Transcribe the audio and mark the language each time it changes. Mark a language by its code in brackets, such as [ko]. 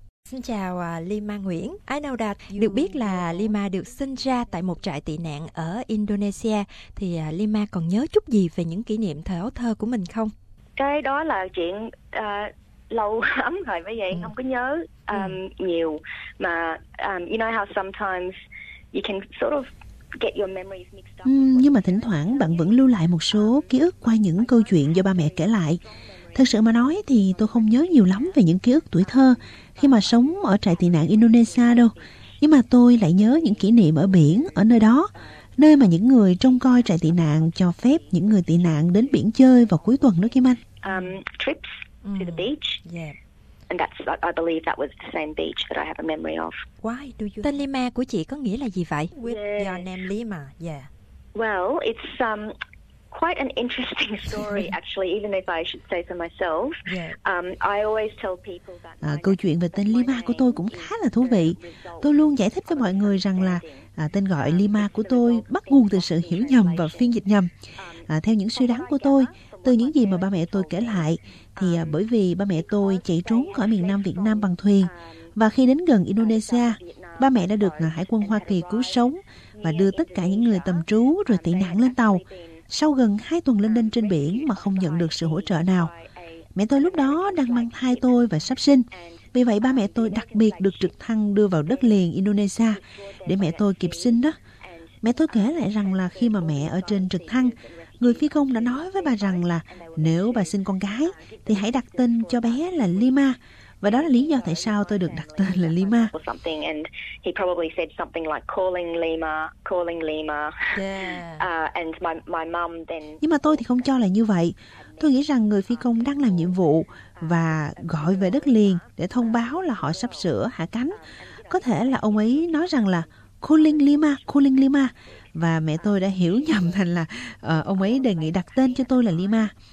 [vi] Xin chào Lima Nguyễn. [en] I know that [vi] được biết là Lima được sinh ra tại một trại tị nạn ở Indonesia. Thì Lima còn nhớ chút gì về những kỷ niệm thời ấu thơ của mình không? Cái đó là chuyện lâu lắm rồi, bởi vậy không có nhớ nhiều. [en] Mà you know how sometimes you can sort of get your memories mixed up. [vi] Nhưng mà thỉnh thoảng bạn vẫn lưu lại một số ký ức qua những câu chuyện do ba mẹ kể lại. Thật sự mà nói thì tôi không nhớ nhiều lắm về những ký ức tuổi thơ khi mà sống ở trại tị nạn Indonesia đâu. Nhưng mà tôi lại nhớ những kỷ niệm ở biển, ở nơi đó, nơi mà những người trông coi trại tị nạn cho phép những người tị nạn đến biển chơi vào cuối tuần đó Kim Anh. [en] Trips to the beach. Yeah. And that's, I believe that was the same beach that I have a memory of. Why do you... [vi] Tên Lima của chị có nghĩa là gì vậy? [en] With your name Lima, yeah. Well, it's quite an interesting story actually, even if I should say so myself. I always tell people that [vi] câu chuyện về tên Lima của tôi cũng khá là thú vị. Tôi luôn giải thích với mọi người rằng là tên gọi Lima của tôi bắt nguồn từ sự hiểu nhầm và phiên dịch nhầm. Theo những suy đoán của tôi, từ những gì mà ba mẹ tôi kể lại thì bởi vì ba mẹ tôi chạy trốn khỏi miền Nam Việt Nam bằng thuyền, và khi đến gần Indonesia, ba mẹ đã được hải quân Hoa Kỳ cứu sống và đưa tất cả những người tầm trú rồi tị nạn lên tàu. Sau gần 2 tuần lênh đênh trên biển mà không nhận được sự hỗ trợ nào, mẹ tôi lúc đó đang mang thai tôi và sắp sinh. Vì vậy, ba mẹ tôi đặc biệt được trực thăng đưa vào đất liền Indonesia để mẹ tôi kịp sinh đó. Mẹ tôi kể lại rằng là khi mà mẹ ở trên trực thăng, người phi công đã nói với bà rằng là nếu bà sinh con gái thì hãy đặt tên cho bé là Lima. Và đó là lý do tại sao tôi được đặt tên là Lima. [en] And he probably said something like calling Lima. And my mom then. [vi] Nhưng mà tôi thì không cho là như vậy. Tôi nghĩ rằng người phi công đang làm nhiệm vụ và gọi về đất liền để thông báo là họ sắp sửa hạ cánh. Có thể là ông ấy nói rằng là [en] calling Lima, calling Lima, [vi] và mẹ tôi đã hiểu nhầm thành là ông ấy đề nghị đặt tên cho tôi là Lima.